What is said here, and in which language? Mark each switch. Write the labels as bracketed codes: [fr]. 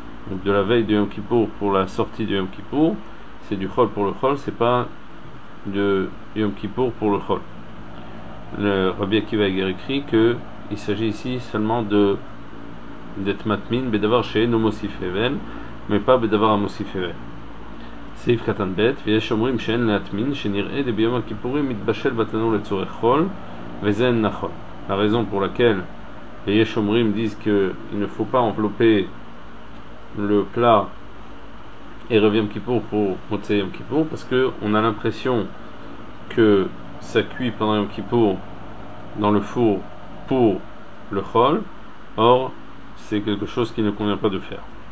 [fr] Donc de la veille de Yom Kippour pour la sortie de Yom Kippour, c'est du chol pour le chol, c'est pas de Yom Kippour pour le chol. Le Rabbi Akiva Eger écrit qu'il s'agit ici seulement d'être matmin, bedavar chez Nomosif Evel, mais pas bedavar Amosif Evel. [he] סעיף קטן ב' ויש אומרים שאין להטמין שנראה דה ביום הכיפורים מתבשל בתנור לצורך חול וזה אין נכון. [fr] La raison pour laquelle les Yeshomrim disent qu'il ne faut pas envelopper le plat Erev Yom Kippour pour Motsei Yom Kippour, parce qu'on a l'impression que ça cuit pendant Yom Kippour dans le four pour le chol, or c'est quelque chose qui ne convient pas de faire.